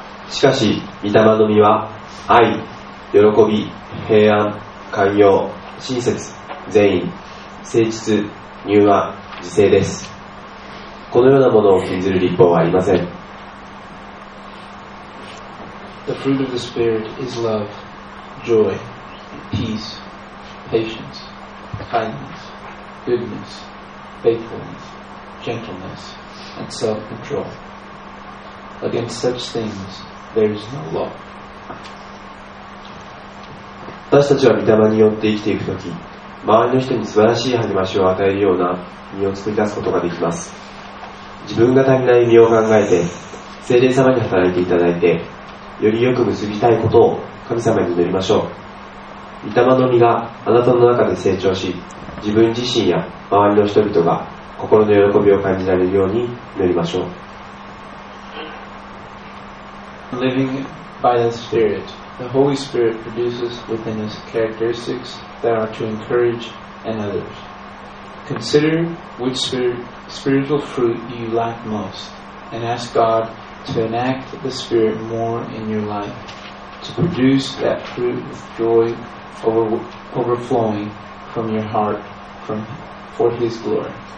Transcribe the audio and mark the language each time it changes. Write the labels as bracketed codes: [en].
[ja] しかし、御霊の実は愛、喜び、平安、寛容、親切、善意、誠実、柔和、自制です。このようなものを禁ずる律法はありません。 [en] The fruit of the Spirit is love, joy, peace, patience, kindness, goodness, faithfulness, gentleness, and self-control. Against such things,There is no law. [ja] 私たちは御霊によって生きていくとき、周りの人に素晴らしい励ましを与えるような身を作り出すことができます。自分が足りない身を考えて、聖霊様に働いていただいて、よりよく結びたいことを神様に祈りましょう。御霊の実があなたの中で成長し、自分自身や周りの人々が心の喜びを感じられるように祈りましょう。 [en] Living by the Spirit, the Holy Spirit produces within us characteristics that are to encourage and others. Consider which spiritual fruit you lack most, and ask God to enact the Spirit more in your life, to produce that fruit with joy overflowing from your heart for His glory.